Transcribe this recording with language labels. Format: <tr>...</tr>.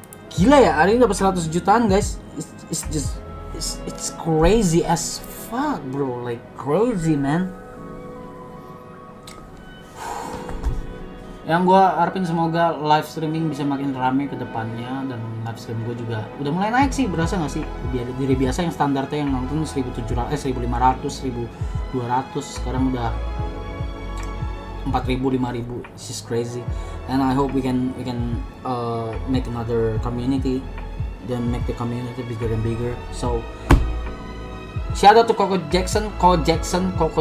<id>Gila ya, hari ini dapat 100 jutaan guys.</id> <en>It's crazy as fuck bro, like crazy man.</en> <id>Yang gua harapin semoga live streaming bisa makin rame ke depannya. Dan live stream gua juga udah mulai naik sih, berasa gak sih? Dari biasa yang standarnya yang nonton 1500, 1200, sekarang udah 4000, 5000.</id> <en>This is crazy. And I hope we can make another community. Then make the community bigger and bigger. So shout out to Koko Jackson 7.</en>